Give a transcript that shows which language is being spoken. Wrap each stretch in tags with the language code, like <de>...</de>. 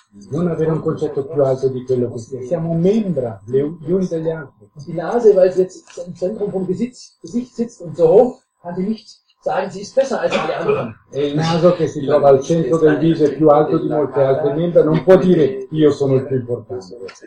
<it>Non avere un concetto più alto di quello che sia. Siamo membra gli uni degli altri.</it> <de>Die Nase, weil sie jetzt im Zentrum vom Gesicht sitzt und so hoch, kann sie nicht sagen, sie ist besser als alle anderen.</de> <it>E il naso che si trova al centro del viso è più alto di molte altre membra, non può dire io sono il più importante.</it>